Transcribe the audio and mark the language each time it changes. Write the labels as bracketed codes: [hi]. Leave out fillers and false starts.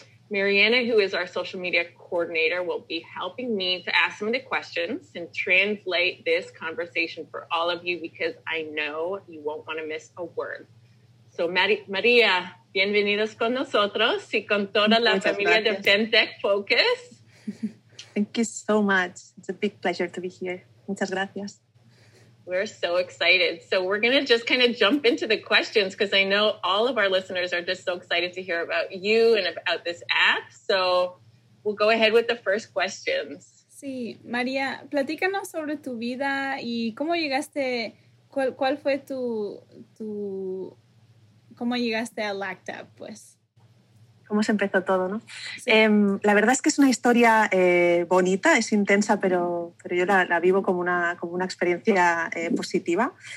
[en] Mariana, who is our social media coordinator, will be helping me to ask some of the questions and translate this conversation for all of you, because I know you won't want to miss a word. [es] So, Maria, bienvenidos con nosotros y con toda la familia de FemTech Focus. [en] Thank you so much. It's a big pleasure to be here. [es] Muchas gracias. [en] We're so excited. So we're going to just kind of jump into the questions, because I know all of our listeners are just so excited to hear about you and about this app. So we'll go ahead with the first questions. [es] Sí, María, platícanos sobre tu vida y cómo llegaste, cuál fue tu cómo llegaste a LactApp, pues. Cómo se empezó todo, ¿no? Sí. La verdad es que es una historia bonita, es intensa, pero yo la vivo como una experiencia positiva.